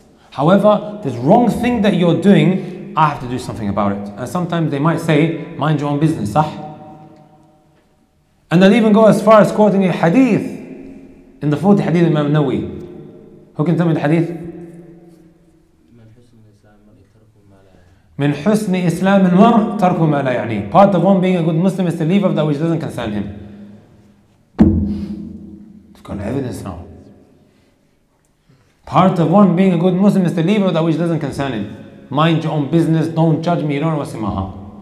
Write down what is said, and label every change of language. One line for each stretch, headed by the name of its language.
English: However, this wrong thing that you're doing, I have to do something about it. And sometimes they might say, mind your own business, sah? And they'll even go as far as quoting a hadith in the 40 hadith of Imam Nawawi. Who can tell me the hadith?
Arabic: من حسن إسلام المرء ترك ما لا يعني.
English: Part of one being a good Muslim is to leave of that which doesn't concern him. We've got evidence now. Part of one being a good Muslim is to leave of that which doesn't concern him. Mind your own business, don't judge me, you don't know what's in my heart.